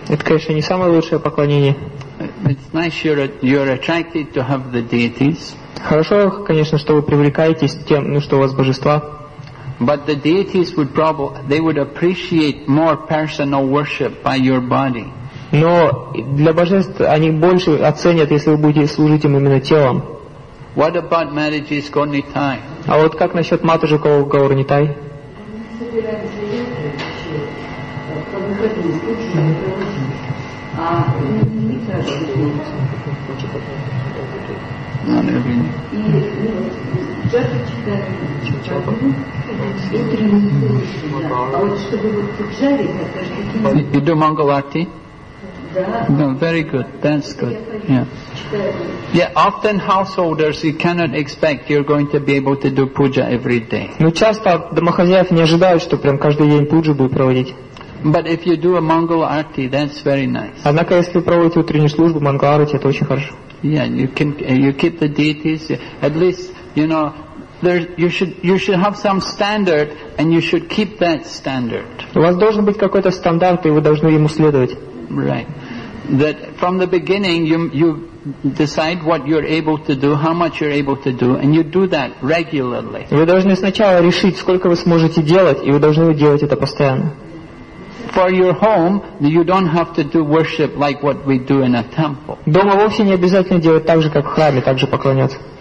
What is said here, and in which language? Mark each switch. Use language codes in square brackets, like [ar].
[ru] Это, конечно, не самое лучшее поклонение. [en] It's nice you're attracted to have the deities. [ru] Хорошо, конечно, что вы привлекаетесь тем, ну, что у вас божества. [en] But the deities would probably they would appreciate more personal worship by your body. [ru] Но для божеств они больше оценят, если вы будете служить им именно телом. [en] What about Matajis Gornitai? [ru] А вот как насчет Матажикова Горнитай? [en] You do Mangal Arti? No, very good. That's good. Yeah. Often householders, you cannot expect you're going to be able to do puja every day. [ru] Но часто домохозяев не ожидают, что прям каждый день пуджу будет проводить. [en] But if you do a Mangal Arti, that's very nice. [ru] Однако если вы проводите утреннюю службу Mangal Arti, это очень хорошо. [en] Yeah, you can you keep the deities at least, you know, there you should have some standard and you should keep that standard. [ru] У вас должен быть какой-то стандарт, и вы должны ему следовать. [en] Right. That from the beginning you decide what you're able to do, how much you're able to do, and you do that regularly. [ru] Вы должны сначала решить, сколько вы сможете делать, и вы должны делать это постоянно. [en] For your home, you don't have to do worship like what we do in a temple. [ru] Дома вовсе не обязательно делать так же, как в храме, так же поклоняться.